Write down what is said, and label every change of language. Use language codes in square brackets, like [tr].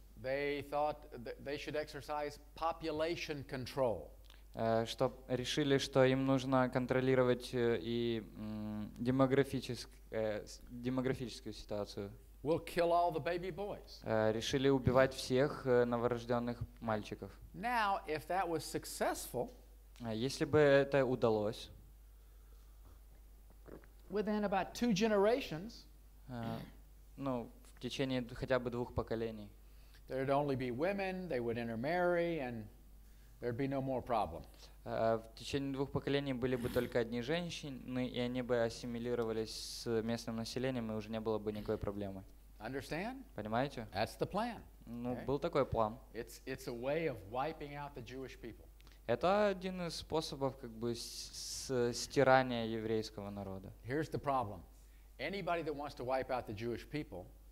[en] They thought they should exercise population control. [ru] Что решили, что им нужно контролировать и демографическую ситуацию. [en] We'll kill all the baby boys. [ru] Решили убивать всех новорожденных мальчиков. [en] Now, if that was successful, [ru] если бы это удалось, [en] within about two generations, [ru] ну, в течение хотя бы двух поколений, [en] there'd only be women, they would intermarry, and there'd be no more problem. [ru] В течение двух поколений были бы только одни женщины, и они бы ассимилировались с местным населением, и уже не было бы никакой проблемы. [en] Understand? [ru] Понимаете? [en] That's the plan. [ru] Ну, был такой план. [en] It's a way of wiping out the Jewish people. [ru] Это один из способов как бы стирания еврейского народа. [en] Here's the problem. Anybody that wants to wipe out the Jewish people,